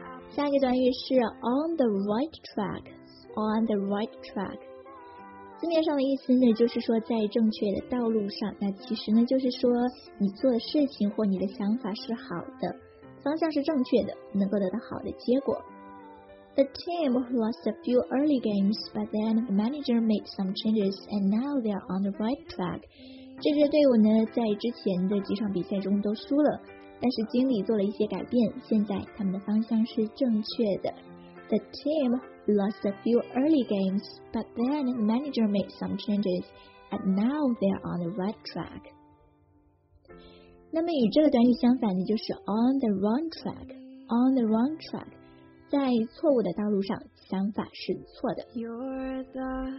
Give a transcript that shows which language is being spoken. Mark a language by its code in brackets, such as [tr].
[zh] 下一个短语是 [en] on the right track. On the right track. [zh] 字面上的意思呢，就是说在正确的道路上。那其实呢，就是说你做的事情或你的想法是好的，方向是正确的，能够得到好的结果。 [en] The team lost a few early games, but then the manager made some changes, and now they are on the right track. [zh] 这支队伍呢，在之前的几场比赛中都输了，但是经理做了一些改变，现在他们的方向是正确的。 [en] The team lost a few early games, but then the manager made some changes, and now they are on the right track. [zh] 那么与这个短语相反的就是 [en] on the wrong track, on the wrong track. [zh] 在错误的道路上，想法是错的。